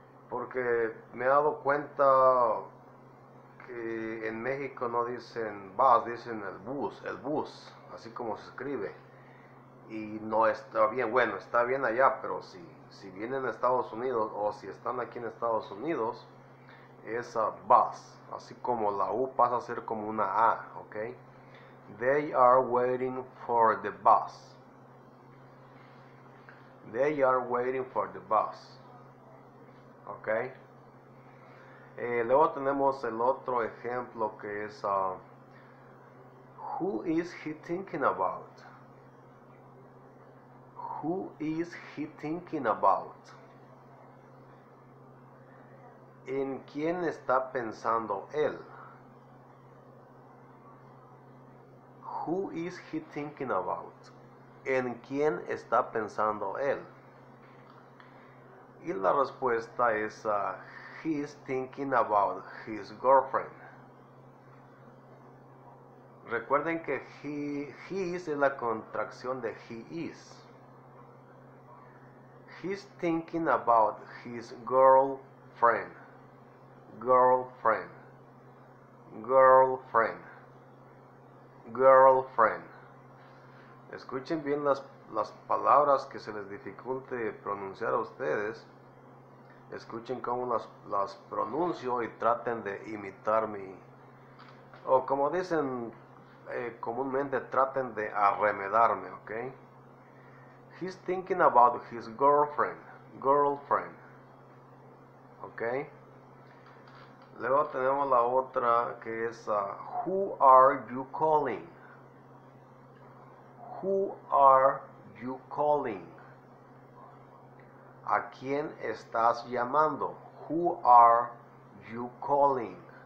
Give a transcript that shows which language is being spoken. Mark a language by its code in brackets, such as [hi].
[es] Porque me he dado cuenta que en México no dicen bus, dicen el bus, así como se escribe. Y no está bien, bueno, está bien allá, pero si vienen a Estados Unidos o si están aquí en Estados Unidos, es bus, así como la U pasa a ser como una A, ¿ok? [en] They are waiting for the bus. They are waiting for the bus. Ok. [es] Luego tenemos el otro ejemplo que es [en] Who is he thinking about? Who is he thinking about? [es] ¿En quién está pensando él? [en] Who is he thinking about? [es] ¿En quién está pensando él? Y la respuesta es [en] he's thinking about his girlfriend. [es] Recuerden que he is la contracción de he is. [en] He's thinking about his girlfriend. Girlfriend. Girlfriend. Girlfriend. [es] Escuchen bien las palabras que se les dificulte pronunciar a ustedes. Escuchen cómo las pronuncio y traten de imitar mi. O como dicen comúnmente, traten de arremedarme, ¿ok? [en] He's thinking about his girlfriend. Girlfriend. ¿Ok? [es] Luego tenemos la otra que es, [en] Who are you calling? Who are you calling? [es] ¿A quién estás llamando? [en] Who are you calling?